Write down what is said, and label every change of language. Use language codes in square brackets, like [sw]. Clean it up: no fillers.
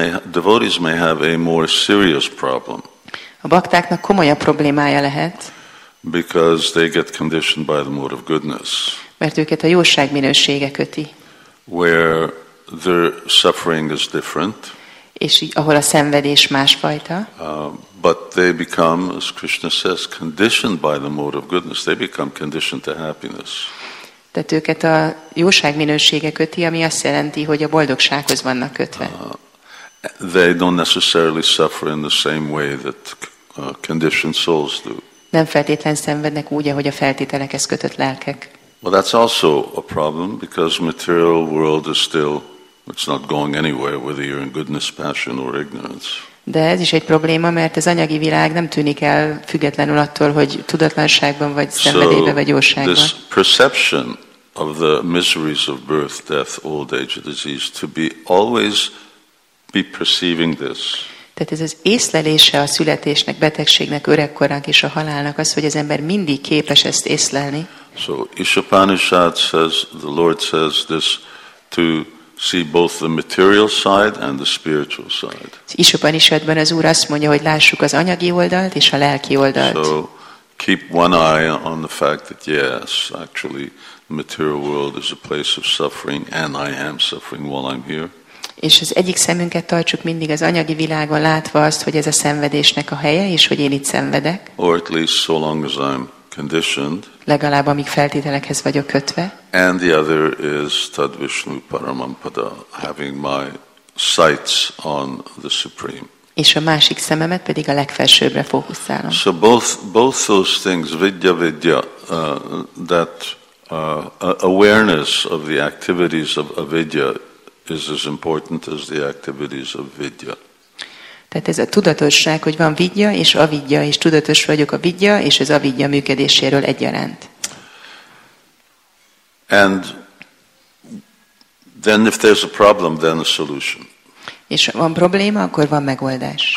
[en] Devotees may have a more serious problem. [hu] A baktáknak komolyabb problémája lehet. [en] Because they get conditioned by the mode of goodness. [hu] Mert őket a jóság minősége köti. [en] Where their suffering is different. [hu] És ahol a szenvedés másfajta. [en] But they become, as Krishna says, conditioned by the mode of goodness. They become conditioned to happiness. [hu] Tehát őket a jóság minősége köti, ami azt jelenti, hogy a boldogsághoz vannak kötve. [en] They don't necessarily suffer in the same way that conditioned souls do. [hu] Nem feltétlenül szenvednek úgy, ahogy a feltételekhez kötött lelkek. [en] Well, that's also a problem because material world is still, it's not going anywhere, whether you're in goodness, passion or ignorance. [hu] De ez is egy probléma, mert az anyagi világ nem tűnik el függetlenül attól, hogy tudatlanságban vagy szenvedélyben vagy jóságban. [en] This perception of the miseries of birth, death, old age, disease, to be always be perceiving this. [hu] Tehát ez az észlelése a születésnek, betegségnek, öregkorának és a halálnak az, hogy az ember mindig képes ezt észlelni. [en] So Ishapanishad says, the Lord says this to see both the material side and the spiritual side. [hu] Ishapanishadban az Úr azt mondja, hogy lássuk az anyagi oldalt és a lelki oldalt. [en] So keep one eye on the fact that yes, actually the material world is a place of suffering and I am suffering while I'm here. [hu] És az egyik szemünket tartsuk mindig az anyagi világon látva azt, hogy ez a szenvedésnek a helye, és hogy én itt szenvedek. [en] Or at least so long as I'm conditioned. [hu] Legalább amíg feltételekhez vagyok kötve. [en] And the other is [sa] Tad Vishnu Paramam Pada, [en] having my sights on the Supreme. [hu] És a másik szememet pedig a legfelsőbbre fókuszálom. [en] So both those things, vidya, that awareness of the activities of avidya, is as important as the activities of vidya. [hu] Tehát ez a tudatosság, hogy van vidya és avidya, és tudatos vagyok a vidya és az avidya működéséről egyaránt. [en] And then if there's a problem, then a solution. [hu] És van probléma, akkor van megoldás.